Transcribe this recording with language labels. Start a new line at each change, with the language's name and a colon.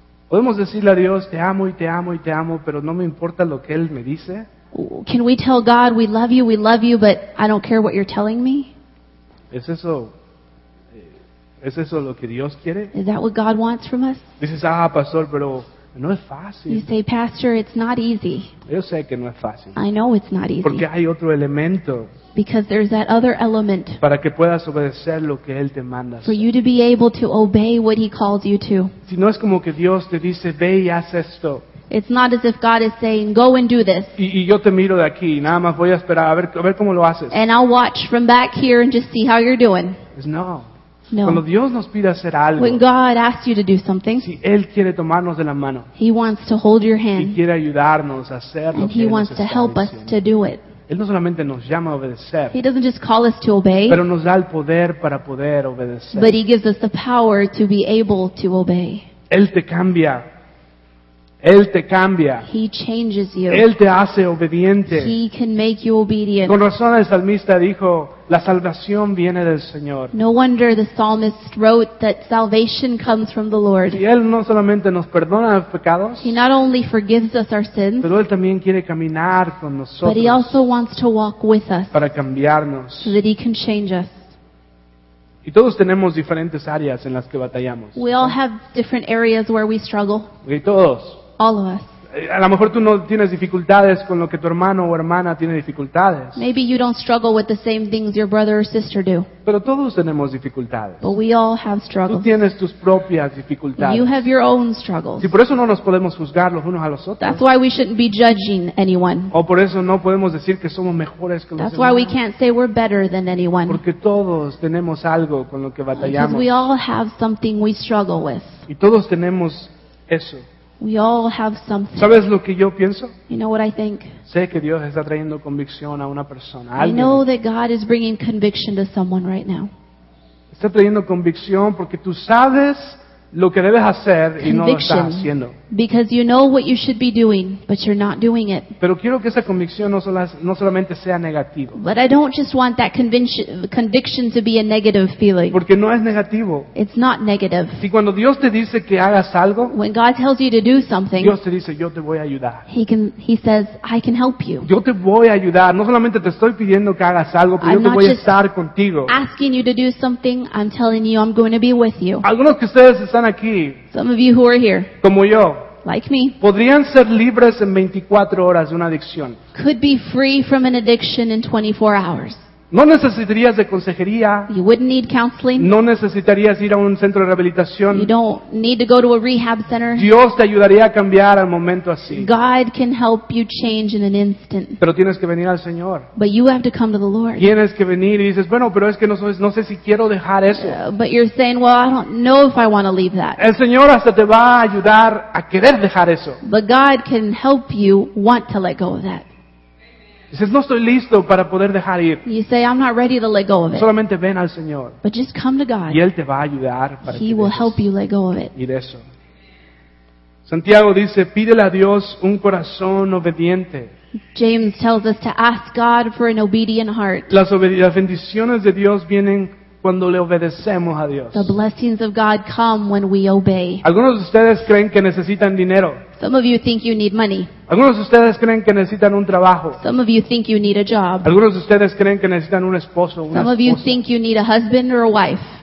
Spanish: ¿Podemos decirle a Dios, te amo y te amo y te amo, pero no me importa lo que Él me dice?
English: Can we tell God, we love you, but I don't care what you're telling me?
Spanish: ¿Es eso lo que Dios quiere?
English: Is that what God wants from us?
Spanish: Dices, pastor, pero no es fácil.
English: You say, pastor, it's not easy.
Spanish: Yo sé que no es fácil.
English: I know it's not easy.
Spanish: Porque hay otro elemento.
English: Because there's that other element.
Spanish: Para que puedas obedecer lo que Él te manda.
English: For you to be able to obey what He calls you to.
Spanish: Si no es como que Dios te dice, ve y haz esto.
English: It's not as if God is saying, go and do this.
Spanish: Y yo te miro de aquí, nada más voy a esperar a ver cómo lo haces.
English: And I'll watch from back here and just see how you're doing.
Spanish: No.
English: No.
Spanish: Cuando Dios nos pide hacer algo.
English: When God asks you to do something.
Spanish: Si Él quiere tomarnos de la mano.
English: He wants to hold your hand.
Spanish: Y quiere ayudarnos a hacer lo que Él nos está diciendo.
English: And He wants to help us to do it.
Spanish: Él no solamente nos llama a obedecer,
English: He doesn't just call us to obey,
Spanish: pero nos da el poder para poder obedecer.
English: But He gives us the power to be able to obey.
Spanish: Él te cambia. Él te cambia.
English: He changes you.
Spanish: Él te hace obediente.
English: He can make you obedient.
Spanish: Con razón el salmista dijo, la salvación viene del Señor.
English: No wonder the psalmist wrote that salvation comes from the Lord.
Spanish: Y Él no solamente nos perdona los pecados.
English: He not only forgives us our sins.
Spanish: Pero Él también quiere caminar con nosotros.
English: But He also wants to walk with us.
Spanish: Para cambiarnos.
English: So that He can change us.
Spanish: Y todos tenemos diferentes áreas en las que batallamos.
English: We all have different areas where we struggle.
Spanish: Y todos.
English: All of us.
Spanish: A lo mejor tú no tienes dificultades con lo que tu hermano o hermana tiene dificultades.
English: Maybe you don't struggle with the same things your brother or sister do.
Spanish: Pero todos tenemos dificultades.
English: But we all have struggles.
Spanish: Tú tienes tus propias dificultades.
English: You have your own struggles.
Spanish: Y por eso no nos podemos juzgar los unos a los otros.
English: That's why we shouldn't be judging anyone.
Spanish: O por eso no podemos decir que somos mejores que los demás.
English: That's why we can't say we're better than anyone.
Spanish: Porque todos tenemos algo con lo que batallamos.
English: Because we all have something we struggle with.
Spanish: Y todos tenemos eso.
English: We all have something.
Spanish: ¿Sabes lo que yo pienso?
English: You know what I think?
Spanish: Sé que Dios está trayendo convicción a una persona.
English: I know that God is bringing conviction to someone right now.
Spanish: Está trayendo convicción porque tú sabes lo que debes hacer y no lo estás haciendo.
English: Because you know what you should be doing, but you're not doing it.
Spanish: Pero quiero que esa convicción no solamente sea negativa.
English: But I don't just want that conviction to be a negative feeling.
Spanish: Porque no es negativo.
English: It's not negative.
Spanish: Si cuando Dios te dice que hagas algo,
English: when God tells you to do something,
Spanish: Dios te dice, yo te voy a ayudar.
English: He says, I can help you.
Spanish: Yo te voy a ayudar. No solamente te estoy pidiendo que hagas algo, pero
English: I'm
Spanish: yo te voy a estar contigo.
English: I'm not just asking you to do something. I'm telling you, I'm going to be with you.
Spanish: Algunos que ustedes están aquí.
English: Some of you who are here.
Spanish: Como yo.
English: Like me.
Spanish: Podrían ser libres en 24 horas de una adicción.
English: Could be free from an addiction in 24 hours.
Spanish: No necesitarías de consejería.
English: You wouldn't need counseling.
Spanish: No necesitarías ir a un centro de rehabilitación.
English: You don't need to go to a rehab center.
Spanish: Dios te ayudaría a cambiar al momento así.
English: God can help you change in an instant.
Spanish: Pero tienes que venir al Señor.
English: But you have to come to the Lord.
Spanish: Tienes que venir y dices, bueno, pero es que no sé si quiero dejar eso.
English: But you're saying, well, I don't know if I want to leave that.
Spanish: El Señor hasta te va a ayudar a querer dejar eso.
English: But God can help you want to let go of that.
Spanish: Dices, no estoy listo para poder dejar ir.
English: You say, I'm not ready to let go of it.
Spanish: Solamente ven al Señor.
English: But just come to God.
Spanish: Y Él te va a ayudar para
English: He will help you let go of it.
Spanish: Y de eso. Santiago dice, pídele a Dios un corazón obediente.
English: James tells us to ask God for an obedient heart.
Spanish: Las bendiciones de Dios vienen cuando le obedecemos a Dios.
English: The blessings of God come when we obey.
Spanish: Algunos de ustedes creen que necesitan dinero.
English: Some of you think you need money.
Spanish: Algunos de ustedes creen que necesitan un trabajo.
English: Some of you think you need a job.
Spanish: Algunos de ustedes creen que necesitan un esposo, una
English: Some
Spanish: esposa.
English: Of you think you need a husband or a wife.